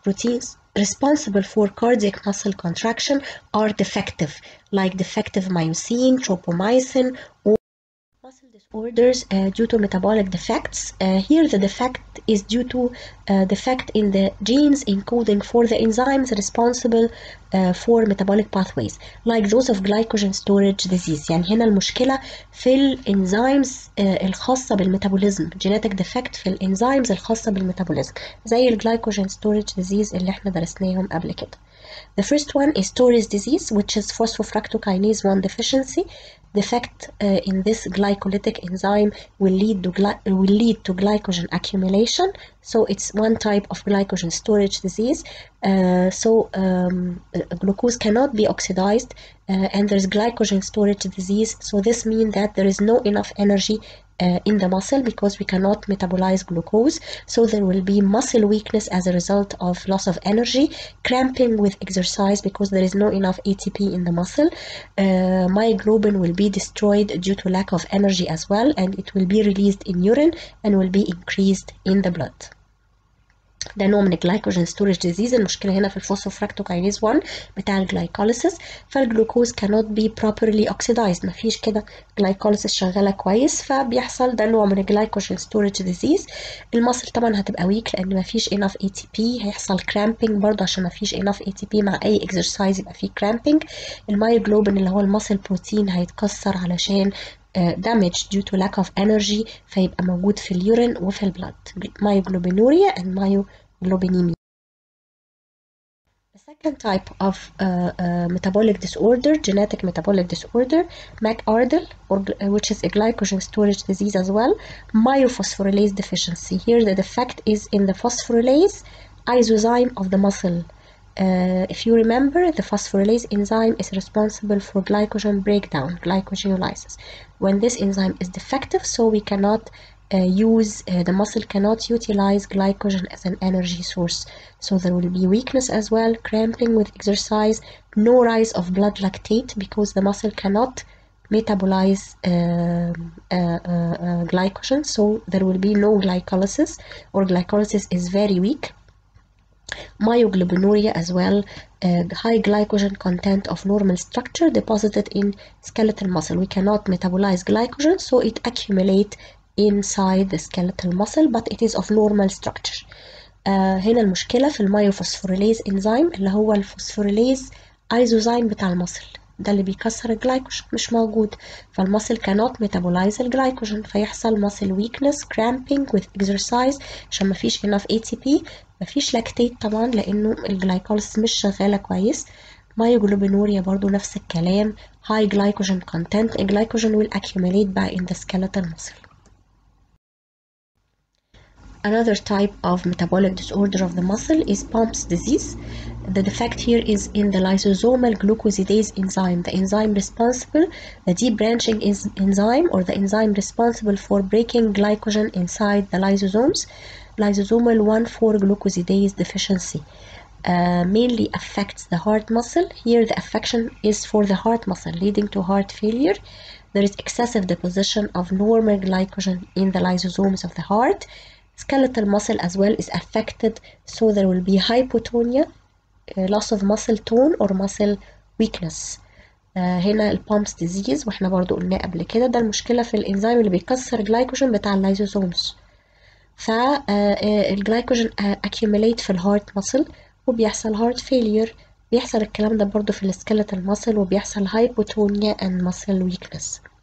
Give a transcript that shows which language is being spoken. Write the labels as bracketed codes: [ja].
[en] Proteins responsible for cardiac muscle contraction are defective, like defective myosin, tropomyosin, or muscle disorders due to metabolic defects. Here the defect is due to defect in the genes encoding for the enzymes responsible for metabolic pathways, like those of glycogen storage disease. [ar] يعني هنا المشكلة في الانزيمز الخاصة بالميتابوليزم، genetic defect في الانزيمز الخاصة بالميتابوليزم، زي الglycogen storage disease اللي احنا درسناهم قبل كده. [en] The first one is Torres disease, which is phosphofructokinase 1 deficiency. Defect in this glycolytic enzyme will lead to glycogen accumulation. So it's one type of glycogen storage disease. Glucose cannot be oxidized and there's glycogen storage disease. So this means that there is no enough energy in the muscle because we cannot metabolize glucose. So there will be muscle weakness as a result of loss of energy, cramping with exercise because there is no enough ATP in the muscle. Myoglobin will be destroyed due to lack of energy as well, and it will be released in urine and will be increased in the blood. [ar] ده نوع من glycogen storage disease. المشكلة هنا في الفوسفوفركتوكينيز 1 بتاع الجلايكوليسيس، فالجلوكوز cannot be properly oxidized، مفيش كده glycolysis شغالة كويس، فبيحصل ده نوع من glycogen storage disease. المصل طبعا هتبقى weak لأن مفيش enough ATP، هيحصل cramping برضه عشان مفيش enough ATP مع أي exercise يبقى فيه cramping. الميوجلوبين اللي هو المصل بروتين هيتكسر علشان damage due to lack of energy، فيبقى موجود في اليورين وفي البلد. [en] myoglobinuria and myoglobinemia. The second type of metabolic disorder, genetic metabolic disorder, MacArdle, which is a glycogen storage disease as well, myophosphorylase deficiency. Here the defect is in the phosphorylase isozyme of the muscle. If you remember, the phosphorylase enzyme is responsible for glycogen breakdown, glycogenolysis. When this enzyme is defective, so we cannot use, the muscle cannot utilize glycogen as an energy source. So there will be weakness as well, cramping with exercise, no rise of blood lactate because the muscle cannot metabolize glycogen, so there will be no glycolysis, or glycolysis is very weak. Myoglobinuria as well, high glycogen content of normal structure deposited in skeletal muscle. We cannot metabolize glycogen, so it accumulate inside the skeletal muscle, but it is of normal structure. [ar] هنا المشكلة في الميوفوسفوريليز انزيم اللي هو الفوسفوريليز ايزوزايم بتاع المصل ده اللي بيكسر الجلايكوجين مش موجود فالمصل cannot metabolize الجلايكوجين فيحصل muscle weakness cramping with exercise عشان ما فيش enough ATP ما فيش لاكتيت طبعا لانه الجلايكوليس مش شغالة كويس myoglobinuria برضو نفس الكلام high glycogen content glycogen will accumulate by in the skeletal muscle. [en] Another type of metabolic disorder of the muscle is Pompe's disease. The defect here is in the lysosomal glucosidase enzyme, the enzyme responsible, the debranching enzyme, or the enzyme responsible for breaking glycogen inside the lysosomes, lysosomal 1,4 glucosidase deficiency. Mainly affects the heart muscle. Here the affection is for the heart muscle, leading to heart failure. There is excessive deposition of normal glycogen in the lysosomes of the heart. Skeletal muscle as well is affected, so there will be hypotonia, loss of muscle tone or muscle weakness. [ar] هنا البومبس ديزيز واحنا برضو قلناه قبل كده ده المشكلة في الانزيم اللي بيكسر جلايكوجين بتاع اللايزوزومز فالجلايكوجين accumulate في الهارت مسل وبيحصل هارت فيلير بيحصل الكلام ده برضو في السكيلتال مسل وبيحصل هايبوتونيا and muscle weakness.